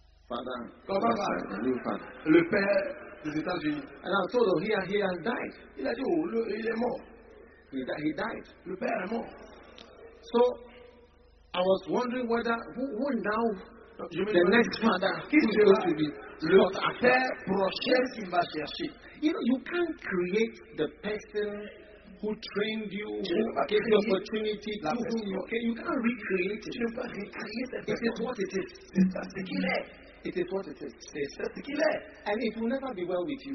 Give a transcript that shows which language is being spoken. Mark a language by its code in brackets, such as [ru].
[fr] Le père des États-Unis. [en] And I was told he has died. [fr] Il a dit, oh, il est mort. [en] He died. [fr] Le père est mort. [en] So I was wondering whether who now the next father to be [fr] le père prochain qu'il va chercher. [en] You know, you can't create the person who trained you, who gave you opportunity, to whom you came. You can't recreate it. It is what it is. It is what it is. [fr] C'est ce qu'il est. [en] And it will never be well with you.